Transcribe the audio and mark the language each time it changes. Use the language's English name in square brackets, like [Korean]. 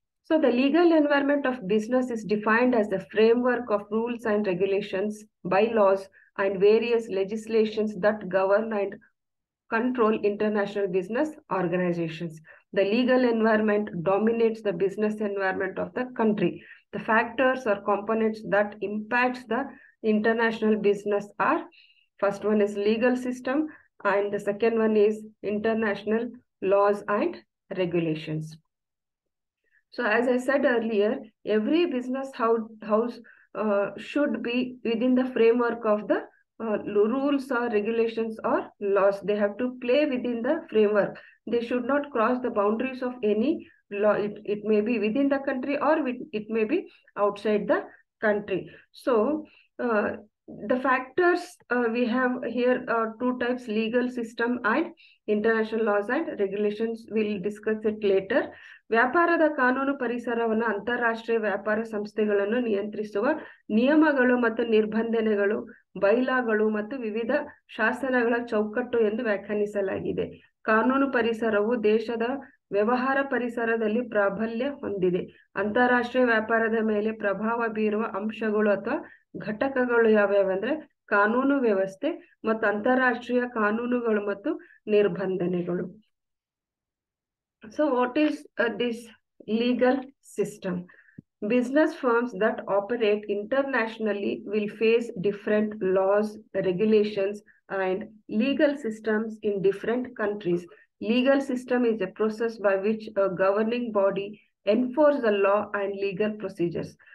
[English] So the legal environment of business is defined as the framework of rules and regulations by laws and various legislations that govern and control international business organizations. The legal environment dominates the business environment of the country. The factors or components that impacts the international business are, first one is legal system, and the second one is international laws and regulations. So as I said earlier, every business house should be within the framework of the rules or regulations or laws. They have to play within the framework. They should not cross the boundaries of any law. It may be within the country or it may be outside the country. So the factors we have here are two types: legal system and international laws and regulations. We'll discuss it later. [Kannada] ವ್ಯಾಪಾರದ ಕಾನೂನು ಪರಿಸರವನ್ನು ಅಂತಾರಾಷ್ಟ್ರೀಯ ವ್ಯಾಪಾರ ಸಂಸ್ಥೆಗಳನ್ನು ನಿಯಂತ್ರಿಸುವ ನಿಯಮಗಳು ಮತ್ತು ನಿರ್ಬಂಧನೆಗಳು, ಬೈಲಾಗಳು ಮತ್ತು ವಿವಿಧ ಶಾಸನಗಳ ಚೌಕಟ್ಟು ಎಂದು ವ್ಯಾಖ್ಯಾನಿಸಲಾಗಿದೆ. ಕಾನೂನು ಪರಿಸರವು ದೇಶದ ವ್ಯವಹಾರ ಪರಿಸರದಲ್ಲಿ ಪ್ರಾಬಲ್ಯ ಹೊಂದಿದೆ. ಅಂತಾರಾಷ್ಟ್ರೀಯ ವ್ಯಾಪಾರದ ಮೇಲೆ ಪ್ರಭಾವ ಬೀರುವ ಅಂಶಗಳು ಅಥವಾ ಘಟಕಗಳು ಯಾವ್ಯಾವಂದ್ರೆ ಕಾನೂನು ವ್ಯವಸ್ಥೆ ಮತ್ತು ಅಂತಾರಾಷ್ಟ್ರೀಯ ಕಾನೂನುಗಳು ಮತ್ತು ನಿರ್ಬಂಧನೆಗಳು. [English] So what is this legal system? Business firms that operate internationally will face different laws, regulations, and legal systems in different countries. Legal system is a process by which a governing body enforces the law and legal procedures.